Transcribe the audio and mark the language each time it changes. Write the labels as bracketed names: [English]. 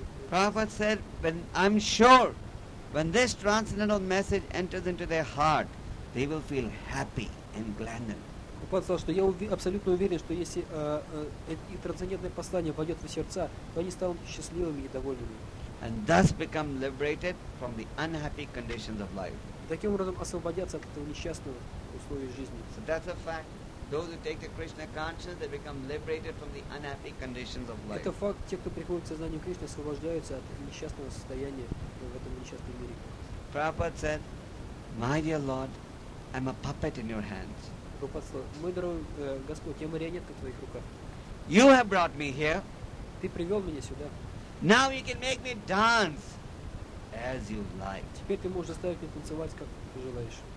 [English] Prabhupada said, when I'm sure, when this transcendental message enters into their heart, they will feel happy and gladness. [Russian] Прабхупада сказал, что я абсолютно уверен, что если их трансцендентное послание войдет в сердца, то они станут счастливыми и довольными. [English] And thus become liberated from the unhappy conditions of life. [Russian] Таким образом освободятся от этого несчастного условия жизни. [English] So that's a fact. Those who take the Krishna consciousness, they become liberated from the unhappy conditions of life. [Russian] Это факт. Те, кто приходит к сознанию Кришны, освобождаются от несчастного состояния в этом несчастном мире. [English] Prabhupada said, my dear Lord, I'm a puppet in your hands. [Russian] Мой дорогой Господь, я марионетка в твоих руках. [English] You have brought me here. [Russian] Ты привел меня сюда. [English] Now you can make me dance as you like. [Russian] Теперь ты можешь заставить меня танцевать, как ты желаешь.